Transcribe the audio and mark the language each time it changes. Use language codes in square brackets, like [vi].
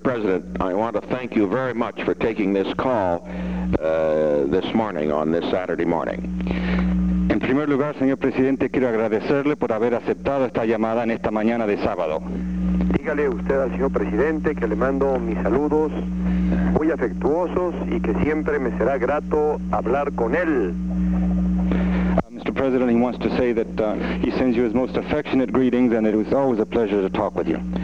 [en] President, I want to thank you very much for taking this call this morning on this Saturday morning. [es] En primer lugar, señor presidente, quiero agradecerle por haber aceptado esta llamada en esta mañana de sábado. Dígale usted al señor presidente que le mando mis saludos muy afectuosos y que siempre me será grato hablar con él. [en] Mr. President, he wants to say that he sends you his most affectionate greetings and it was always a pleasure to talk with you.